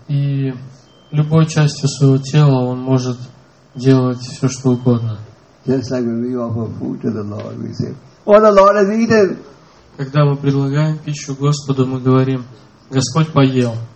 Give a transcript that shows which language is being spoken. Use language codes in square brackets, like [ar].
[ru] И любой частью своего тела он может делать все что угодно. [en] Just like when we offer food to the Lord, we say, "Oh, the Lord has eaten." [ru] Когда мы предлагаем пищу Господу, мы говорим: Господь поел.